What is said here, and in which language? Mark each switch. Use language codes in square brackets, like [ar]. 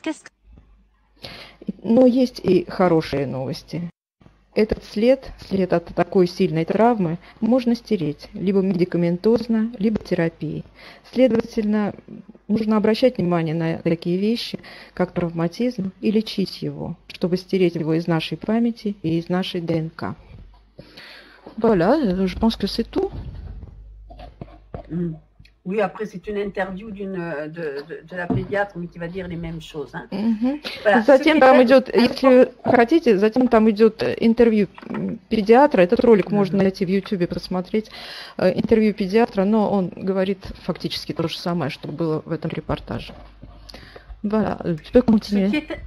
[fr] Qu'est-ce que... [ru] Но есть и хорошие новости. Этот след, след от такой сильной травмы, можно стереть либо медикаментозно, либо терапией. Следовательно, нужно обращать внимание на такие вещи, как травматизм, и лечить его, чтобы стереть его из нашей памяти и из нашей ДНК. [fr] Voilà, je pense que c'est tout. Oui, après, c'est une interview de la pédiatre, mais qui va dire les mêmes choses. Hein. Voilà, ce [ru] Затем [fr] qui [ru] там [fr] est [ru] идет, если хотите, затем там идет интервью педиатра. Этот ролик можно найти в YouTube, посмотреть. Интервью педиатра, но он говорит фактически то же самое, что было в этом репортаже. [fr] Voilà, tu peux continuer.